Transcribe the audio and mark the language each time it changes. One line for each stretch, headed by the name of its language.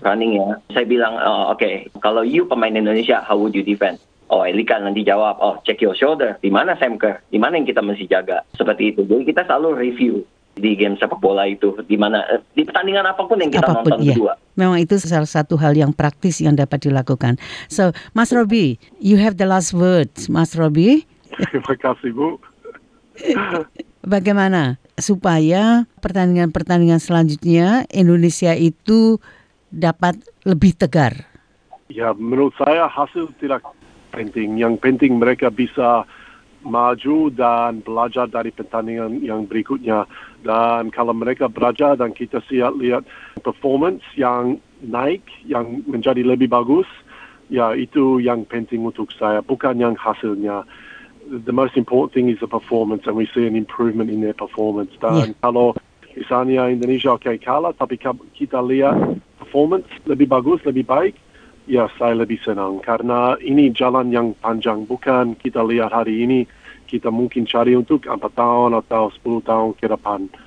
Indonesian: running-nya. Saya bilang, oh, oke, okay, kalau you pemain Indonesia,
English: how would you defend?
Indonesian: Oh, Elika nanti jawab, oh,
English: check your shoulder,
Indonesian: di mana Sam Kerr? Di mana yang kita mesti jaga? Seperti itu, jadi kita selalu review di game sepak bola itu, di mana di pertandingan apapun yang kita apapun, nonton berdua.
English: Yeah.
Indonesian: Memang itu salah satu hal yang praktis yang dapat dilakukan.
English: So, Mas Robi, you have the last words, Mas Robi.
Indonesian: Terima kasih, Bu. Bagaimana supaya pertandingan-pertandingan selanjutnya Indonesia itu dapat lebih tegar? Ya, menurut saya hasil tidak penting. Yang penting mereka bisa maju dan belajar dari pertandingan yang berikutnya. Dan kalau mereka belajar dan kita lihat performance yang naik, yang menjadi lebih bagus, ya itu yang penting untuk saya, bukan yang hasilnya.
English: The most important thing is the performance, and we see an improvement in their performance.
Indonesian: Dan yeah, kalau misalnya Indonesia okay kalah, tapi kita lihat performance lebih bagus, lebih baik, ya saya lebih senang. Karena ini jalan yang panjang, bukan kita lihat hari ini, kita mungkin cari untuk 4 tahun atau 10 tahun ke depan.